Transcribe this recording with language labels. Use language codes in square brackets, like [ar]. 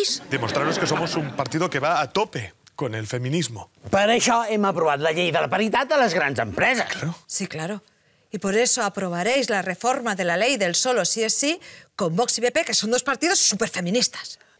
[es] Demostraros que somos un partido que va a tope con el feminismo. [ca] Per això hem aprovat la llei de la paritat a les grans empreses. [es] Claro. Sí, claro. Y por eso aprobaréis la reforma de la ley del solo sí es sí con Vox y PP, que son dos partidos superfeministas.